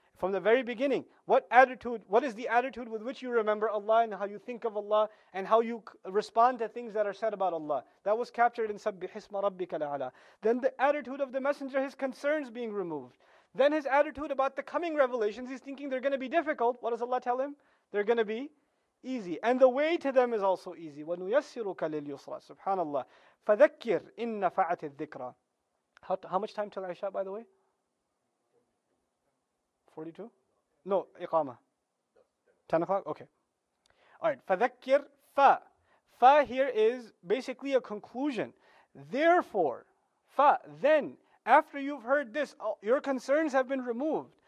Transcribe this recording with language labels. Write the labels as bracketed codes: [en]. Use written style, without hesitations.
[en] From the very beginning, what attitude, what is the attitude with which you remember Allah and how you think of Allah and how you respond to things that are said about Allah? That was captured in Subbihisma Rabbika Al-A'la. Then the attitude of the messenger, his concerns being removed. Then his attitude about the coming revelations, he's thinking they're going to be difficult. What does Allah tell him? They're going to be easy. And the way to them is also easy. [ar] وَنُيَسِّرُكَ لِلْيُسْرَى SubhanAllah. فَذَكِّرْ إِنَّ فَعَتِ الذِّكْرَى. [en] How much time till Aisha, by the way? 42? No, Iqama. 10 o'clock? Okay. All right. [ar] فَذَكِّرْ fa. [en] Fa here is basically a conclusion. Therefore, fa, then, after you've heard this, your concerns have been removed.